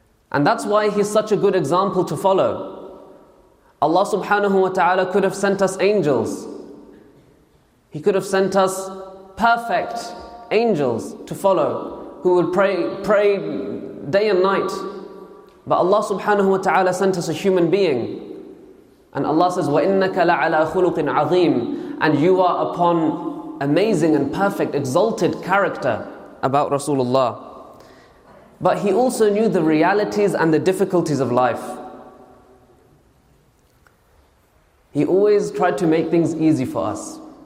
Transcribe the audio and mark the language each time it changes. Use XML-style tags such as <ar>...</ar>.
<en>And that's why he's such a good example to follow. Allah subhanahu wa ta'ala could have sent us angels. He could have sent us perfect angels to follow, who would pray day and night. But Allah subhanahu wa ta'ala sent us a human being. And Allah says,</en> <ar>وَإِنَّكَ لَعَلَىٰ خُلُقٍ عَظِيمٍ.</ar> <en>And you are upon amazing and perfect, exalted character about Rasulullah. But he also knew the realities and the difficulties of life. He always tried to make things easy for us.</en>